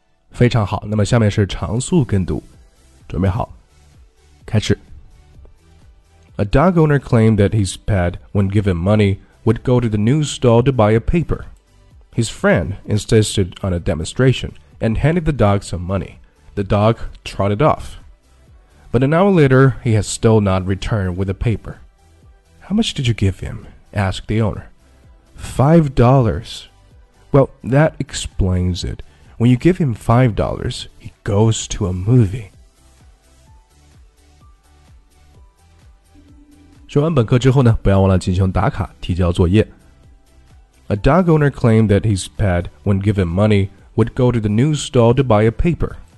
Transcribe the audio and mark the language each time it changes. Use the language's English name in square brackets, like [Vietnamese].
[Chinese] 非常好，那么下面是长速跟读，准备好，开始。 [English] A dog owner claimed that his pet, when given money, would go to the news stall to buy a paper. His friend insisted on a demonstration and handed the dog some money. The dog trotted off. But an hour later, he had still not returned with the paper. How much did you give him? Asked the owner. $5. Well, that explains it. When you give him $5, he goes to a movie. [Chinese] 学完本课之后呢，不要忘了进行打卡，提交作业。 [English] A dog owner claimed that his pet, when given money, would go to the news stall to buy a paper.